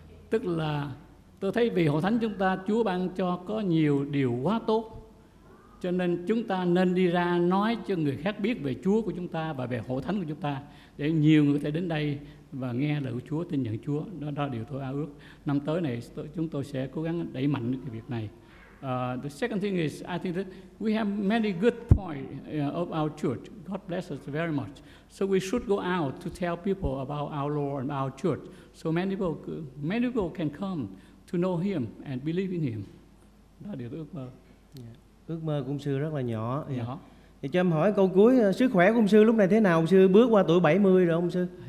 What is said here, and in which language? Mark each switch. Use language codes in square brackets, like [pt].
[vi] Tức là tôi thấy vì hội thánh chúng ta Chúa ban cho có nhiều điều quá tốt, cho nên chúng ta nên đi ra nói cho người khác biết về Chúa của chúng ta và về hội thánh của chúng ta để nhiều người có thể đến đây và nghe lời của Chúa, tin nhận Chúa. Đó là điều tôi ao ước. Năm tới này chúng tôi sẽ cố gắng đẩy mạnh cái việc này. [en] The second thing is, I think that we have many good points of our church. God bless us very much. So we should go out to tell people about our Lord and our church. So many people can come to know Him and believe in Him. [vi] Đó là điều tôi ước mơ. Ước mơ của ông sư rất là nhỏ. Nhỏ. Thì cho em hỏi câu cuối, sức khỏe của ông sư lúc này thế nào? Ông sư bước qua tuổi 70 rồi ông sư?